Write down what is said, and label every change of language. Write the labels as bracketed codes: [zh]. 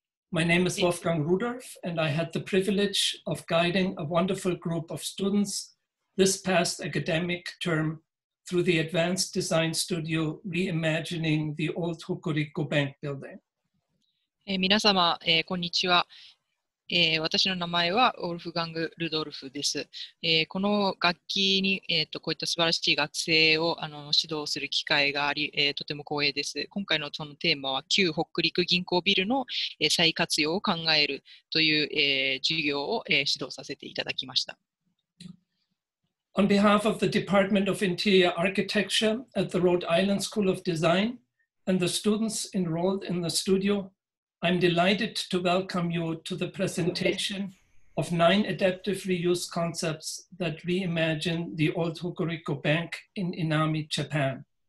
[en] My name is Wolfgang Rudorf, and I had the privilege of guiding a wonderful group of students this past academic term through the advanced design studio reimagining the old Hokuriku Bank building. [ja] 皆様、こんにちは。私の名前はウォルフガング・ルドルフです。この学期に、こういった素晴らしい学生を指導する機会があり、とても光栄です。今回のそのテーマは旧北陸銀行ビルの、再活用を考えるという、授業を、指導させていただきました。 [en] On behalf of the Department of Interior Architecture at the Rhode Island School of Design and the students enrolled in the studio,I'm delighted to welcome you to the presentation of 9 adaptive reuse concepts that reimagine the old Hokuriku Bank in Inami, Japan.